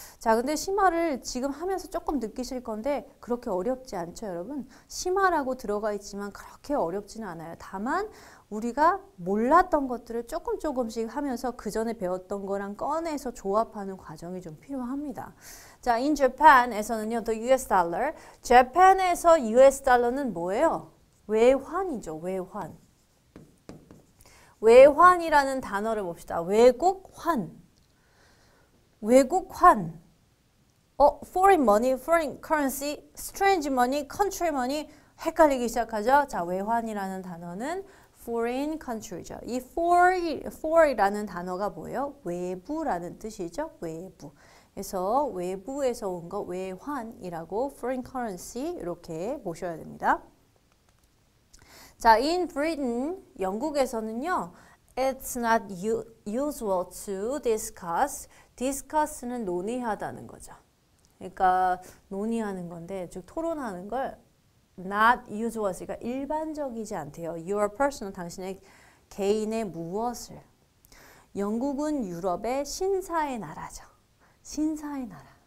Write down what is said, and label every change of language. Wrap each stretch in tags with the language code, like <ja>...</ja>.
<ko>자, 근데 심화를 지금 하면서 조금 느끼실 건데 그렇게 어렵지 않죠, 여러분? 심화라고 들어가 있지만 그렇게 어렵지는 않아요. 다만 우리가 몰랐던 것들을 조금 조금씩 하면서 그 전에 배웠던 거랑 꺼내서 조합하는 과정이 좀 필요합니다.</ko> <en>자, in Japan에서는요, the US dollar.</en> <ko>Japan에서 US dollar는 뭐예요? 외환이죠, 외환. 외환이라는 단어를 봅시다. 외국환. 외국환.</ko> <en>Foreign money, foreign currency, strange money, country money.</en> <ko>헷갈리기 시작하죠? 자, 외환이라는 단어는 foreign country 죠. 이 for이라는 단어가 뭐예요? 외부라는 뜻이죠. 외부. 그래서 외부에서 온 거 외환이라고 foreign currency 이렇게 보셔야 됩니다. 자, in Britain, 영국에서는요.</ko> <en>It's not usual to discuss.</en> <ko>Discuss는 논의하다는 거죠. 그러니까 논의하는 건데 즉 토론하는 걸 not usual 이니까 일반적이지 않대요. Your personal, 당신의 개인의 무엇을. 영국은 유럽의 신사의 나라죠. 신사의 나라.</ko>